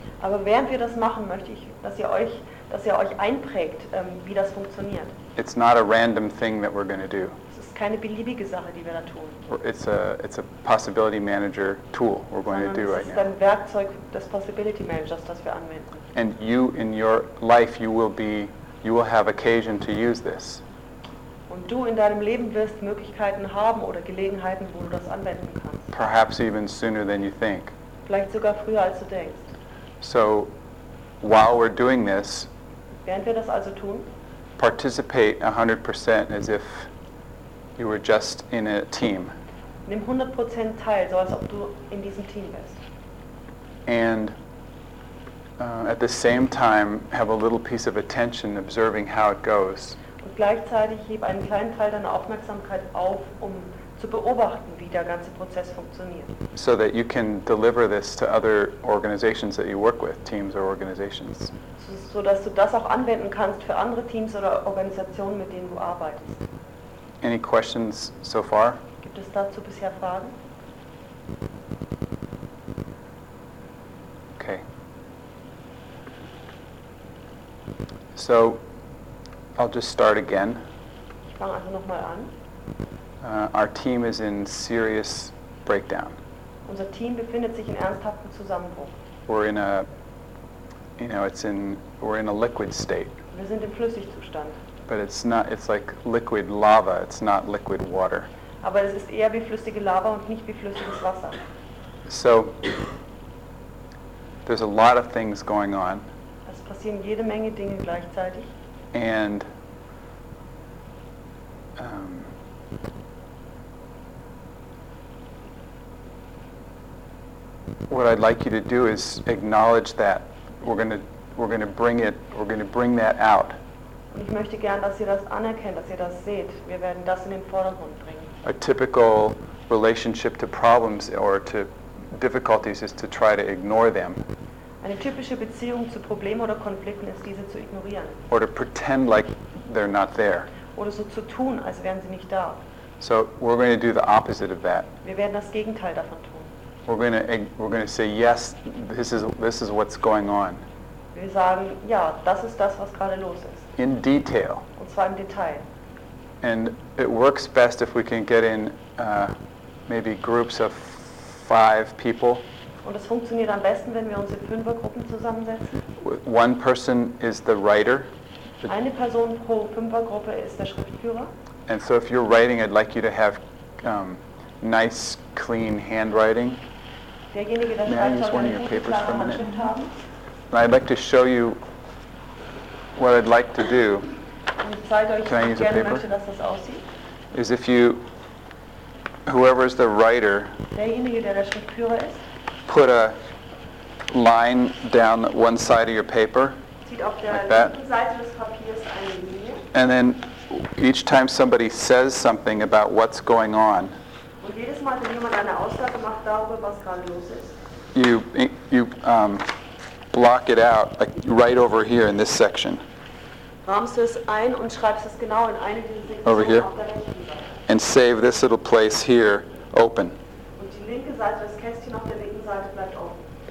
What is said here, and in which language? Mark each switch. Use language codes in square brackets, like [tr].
[de] Aber während wir das machen, möchte ich, dass ihr euch einprägt, wie das funktioniert. [en] It's not a random thing that we're going to do. [de] Es ist keine beliebige Sache, die wir da tun. [en] It's a possibility manager tool we're going [de] Sondern [en] to do right now. [de] Es ist ein Werkzeug des possibility managers, das wir anwenden. [en] And you, in your life, you will have occasion to use this. [de] Und du in deinem Leben wirst Möglichkeiten haben oder Gelegenheiten, wo du das anwenden kannst. [en] Perhaps even sooner than you think. [de] Vielleicht sogar früher als du denkst. [en] So, while we're doing this, [de] während wir das also tun, [en] participate 100% as if you were just in a team. [de] Nimm 100% teil, so als ob du in diesem Team bist. [en] And at the same time, have a little piece of attention observing how it goes. [de] Und gleichzeitig heb einen kleinen Teil deiner Aufmerksamkeit auf, um zu beobachten, wie der ganze Prozess funktioniert. [en] So that you can deliver this to other organizations that you work with, teams or organizations. [de] So dass du das auch anwenden kannst für andere Teams oder Organisationen, mit denen du arbeitest. [en] Any questions so far? [de] Gibt es dazu bisher Fragen? [en] Okay. So, I'll just start again. [de] Ich fange einfach nochmal an. [en] Our team is in serious breakdown. [de] Unser Team befindet sich in ernsthaftem Zusammenbruch. [en] We're in a, we're in a liquid state. [de] Wir sind im Flüssigzustand. [en] But it's not, it's like liquid lava, it's not liquid water. [de] Aber es ist eher wie flüssige Lava und nicht wie flüssiges Wasser. [en] So, there's a lot of things going on. [de] Es passieren jede Menge Dinge gleichzeitig. [en] And thank you. what I'd like you to do is acknowledge that we're going to bring that out. [de] Ich möchte gern, dass ihr das anerkennt, dass ihr das seht. Wir werden das in den Vordergrund bringen. [en] A typical relationship to problems or to difficulties is to try to ignore them. [de] Eine typische Beziehung zu Problemen oder Konflikten ist, diese zu ignorieren. [en] Or to pretend like they're not there. [de] Oder so zu tun, als wären sie nicht da. [en] So we're going to do the opposite of that. [de] Wir werden das Gegenteil davon tun. [en] We're going to say yes, this is what's going on. [de] Wir sagen ja, das ist das, was gerade los ist. [en] In detail. [de] Und zwar im Detail. [en] And it works best if we can get in maybe groups of five people. [de] Und es funktioniert am besten, wenn wir uns in Fünfergruppen zusammensetzen. [en] One person is the writer. [de] Eine Person pro Fünfergruppe ist der Schriftführer. [en] And so if you're writing, I'd like you to have nice, clean handwriting. [de] Derjenige, der schreibt, [en] may I use one of your papers for a minute? [de] Haben? [en] And I'd like to show you what I'd like to do. Can I use a paper? [de] Möchte, dass das aussieht? [en] Is if you, whoever is the writer, [de] derjenige, der Schriftführer ist, [en] put a line down one side of your paper, [de] zieht auf der [en] like that, [de] Seite des Papiers eine Linie. [en] And then each time somebody says something about what's going on, [de] und jedes Mal, wenn jemand eine Aussage macht darüber, was gerade los ist, [en] you block it out, like right over here in this section. [de] Rahmst du es ein und schreibst es genau in eine dieser Sektionen auf der rechten Seite. [en] And save this little place here open. [de] Und die linke Seite, das Kästchen auf der linken Seite bleibt offen.